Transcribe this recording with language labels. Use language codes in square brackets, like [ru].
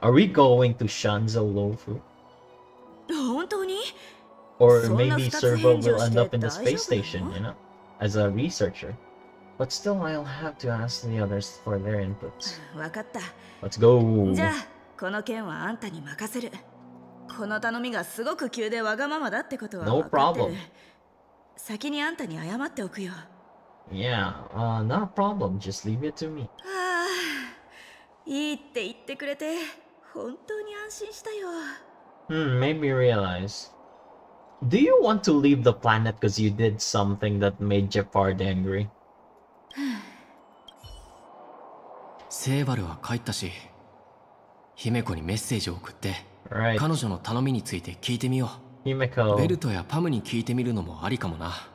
[en] Are we going to Shanzo Lofu? Or maybe Servo will end up in the space station, you know, as a researcher. But still, I'll have to ask the others for their inputs. Let's go! Alright, [ja] この頼みがすごく急でわがままだってことは分かってる。先にあんたに謝っておくよ。 [en] Yeah, not a problem. Just leave it to me. [ja] いいって言ってくれて本当に安心したよ。 [en] Made me realize. Do you want to leave the planet because you did something that made Jeffard angry? [ja] セーバルは帰ったし、姫子にメッセージを送って、 [en] right. [ja] 彼女の頼みについて聞いてみよう。姫子。ベルトやパムに聞いてみるのもありかもな。